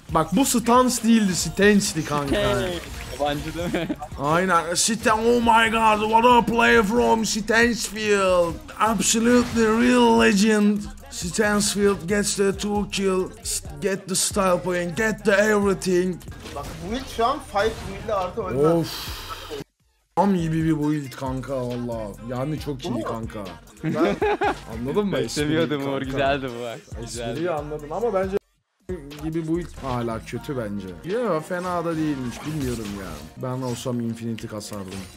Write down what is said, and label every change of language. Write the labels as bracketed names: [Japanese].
[Turkish] Bak bu stans değildi stansdi kanka. Yabancı değil mi? Aynen. Stans. [English] Oh my god. What a play from Stansfield. Absolutely real legend. Stansfield gets the 2 kill, get the style point, get the everything. [Turkish] Bak build şu an 5 build artı önden. Of. Tam gibi bir build kanka valla. Yani çok iyi kanka. Ben... anladın mı? Seviyordum bu, güzeldi bu bak. Espriyi anladım ama bence gibi build hala kötü bence. Yo fena da değilmiş bilmiyorum ya. Ben olsam Infinity kasardım.